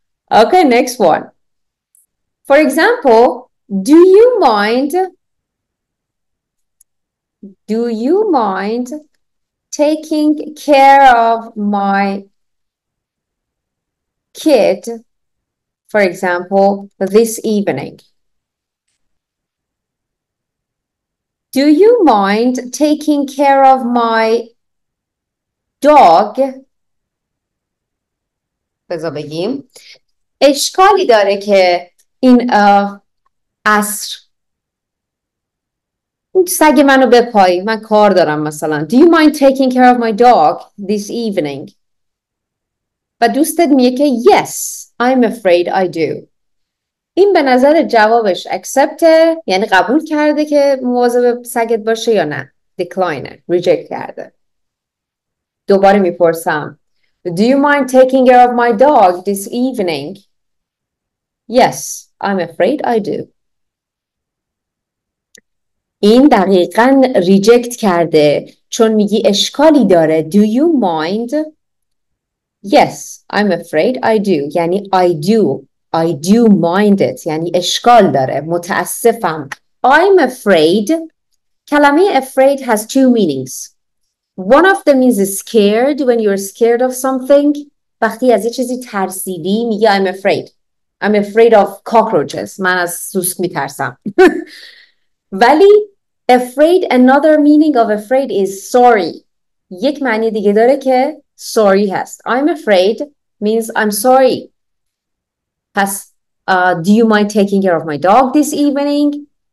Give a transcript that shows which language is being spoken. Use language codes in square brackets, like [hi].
[en] Okay, next one. For example, do you mind taking care of my kid, for example, this evening? Do you mind taking care of my dog? [fa] بذار بگیم. اشکالی داره که این عصر سگ منو بپای، من کار دارم مثلا. [en] Do you mind taking care of my dog this evening? [fa] و دوستت میگه که [en] yes, I'm afraid I do. [fa] این به نظر جوابش accepte، یعنی قبول کرده که مواظب سگت باشه، یا نه decline، reject کرده. دوباره میپرسم [en] Do you mind taking care of my dog this evening? Yes, I'm afraid I do. [fa] این دقیقا reject کرده، چون میگی اشکالی داره. [en] Do you mind? Yes, I'm afraid I do. [fa] یعنی [en] I do mind it. [fa] یعنی اشکال داره. متاسفم. [en] I'm afraid. [fa] کلمه [en] afraid has two meanings. One of them is scared, when you're scared of something. [fa] وقتی از یه چیزی ترسیدی میگی [en] I'm afraid. I'm afraid of cockroaches. [fa] من از سوسک میترسم. ولی [en] afraid, another meaning of afraid is sorry. [fa] یک معنی دیگه داره که sorry هست. [en] I'm afraid means I'm sorry. [fa] پس [en] do you mind taking care of my dog this evening?